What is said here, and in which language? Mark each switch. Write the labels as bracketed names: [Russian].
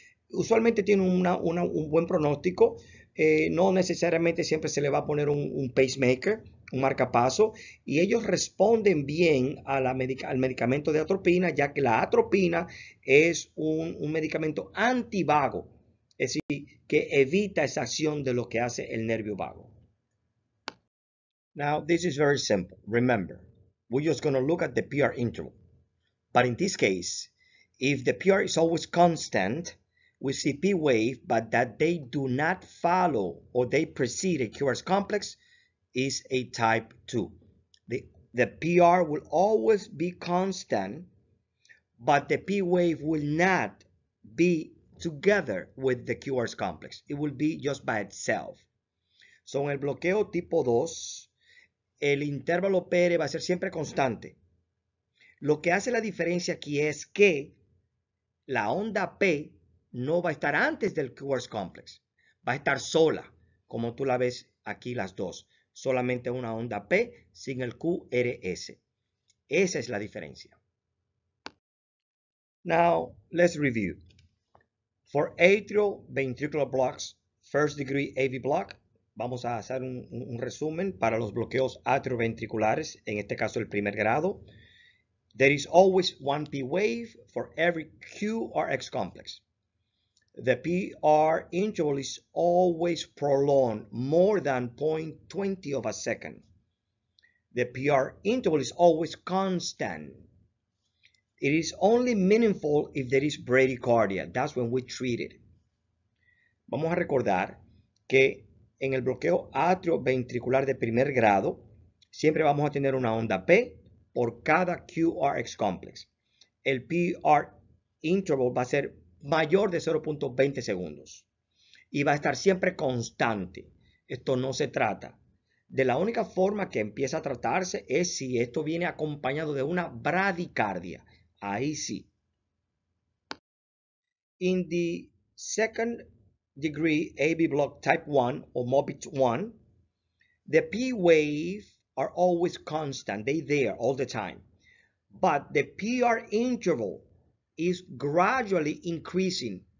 [Spanish] Usualmente tiene un buen pronóstico. No necesariamente siempre se le va a poner un pacemaker, un marcapaso, y ellos responden bien a al medicamento de atropina, ya que la atropina es un medicamento antivago, es decir, que evita esa acción de lo que hace el nervio vago. [English] Now, this is very simple. Remember, we're just going to look at the PR interval. But in this case, if the PR is always constant, we see P wave, but that they do not follow or they precede a QRS complex, is a type 2. The PR will always be constant, but the P wave will not be together with the QRS complex. It will be just by itself. [Spanish] So en el bloqueo tipo 2, el intervalo PR va a ser siempre constante. Lo que hace la diferencia aquí es que la onda P no va a estar antes del QRS complex, va a estar sola, como tú la ves aquí las dos, solamente una onda P sin el QRS. Esa es la diferencia. [English] Now, let's review. For atrial ventricular blocks, first degree AV block, [Spanish] vamos a hacer un resumen para los bloqueos atrioventriculares, en este caso el primer grado. [English] There is always one P wave for every QRS complex. The PR interval is always prolonged more than 0.20 of a second. The PR interval is always constant. It is only meaningful if there is bradycardia. That's when we treat it. [Spanish] Vamos a recordar que en el bloqueo atrioventricular de primer grado, siempre vamos a tener una onda P por cada QRS complex. El PR interval va a ser mayor de 0.20 segundos. Y va a estar siempre constante. Esto no se trata. De la única forma que empieza a tratarse es si esto viene acompañado de una bradicardia. Ahí sí. [English] In the second degree AV block type 1 or MOPIT 1, the P wave are always constant. They're there all the time. But the PR interval is gradually increasing.